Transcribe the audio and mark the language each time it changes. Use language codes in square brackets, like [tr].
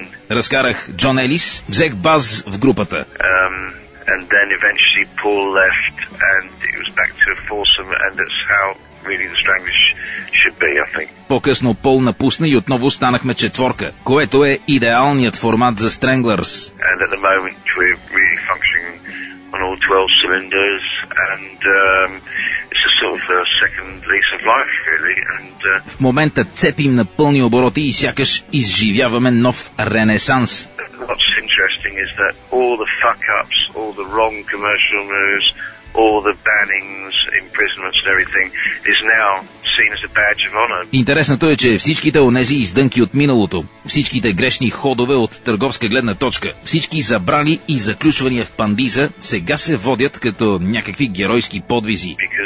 [bg] Разкарах Джон Елис, взех бас в групата. [en] And then eventually Paul left and it was back to a foursome and that's how really the Stranglers should be, I think. [bg] По-късно Пол напусна и отново станахме четворка, което е идеалният формат за Stranglers. [en] And at the moment we're really functioning on all 12 cylinders and it's a sort of a second lease of life really and [bg] в момента цепим на пълни обороти и сякаш изживяваме нов ренесанс. [en] What's interesting is that all the fuck-ups, all the wrong commercial moves, all the bannings, imprisonments and everything is now seen as a badge of honor. [bg] Интересното е, че всичките онези издънки от миналото, всичките грешни ходове от търговска гледна точка, всички забрани и заключвания в пандиза, сега се водят като някакви геройски подвизи.